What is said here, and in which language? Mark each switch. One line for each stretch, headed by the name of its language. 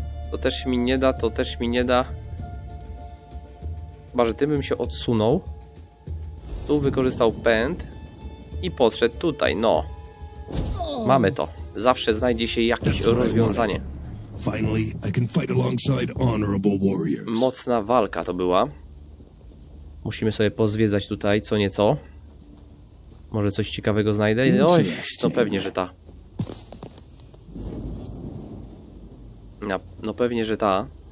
Polish: To też mi nie da, to też mi nie da. Chyba, że tym bym się odsunął. Tu wykorzystał pęd. I podszedł tutaj, no. Mamy to. Zawsze znajdzie się jakieś rozwiązanie.
English: Finally, I can fight alongside honorable warriors.
Polish: Mocna walka to była. Musimy sobie pozwiedzać tutaj co nieco. Może coś ciekawego znajdę. Oj, no pewnie, że ta. No pewnie, że ta.